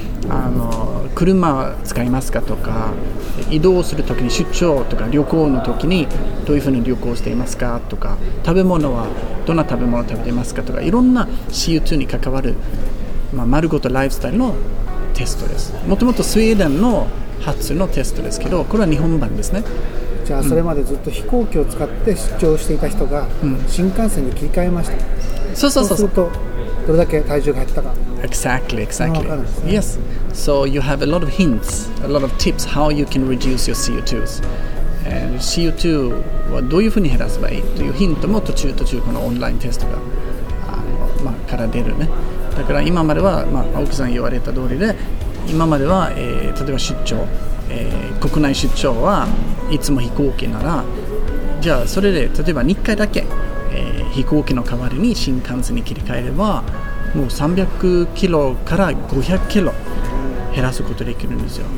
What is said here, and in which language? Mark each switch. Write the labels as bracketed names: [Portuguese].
[Japanese] あの車は使いますかとか、移動するときに出張とか旅行のときにどういうふうに旅行していますかとか、食べ物はどんな食べ物を食べていますかとか、いろんな CO2 に関わる、まあ、丸ごとライフスタイルのテストです。もともとスウェーデンの発のテストですけど、これは日本版ですね。じゃあそれまでずっと飛行機を使って出張していた人が新幹線に切り替えました、うん、そうするとどれだけ体重が減ったか。 [English] Exactly、ね、Yes. So you have a lot of hints, a lot of tips how you can reduce your CO2s. [Japanese] And CO2 はどういうふうに減らせばいいというヒントも途中このオンラインテストが、まあ、から出るね。だから今までは、まあ、青木さん言われた通りで、今までは、例えば出張、国内出張はいつも飛行機なら、じゃあそれで例えば日回だけ、飛行機の代わりに新幹線に切り替えれば、もう300キロから500キロ減らすことできるんですよ。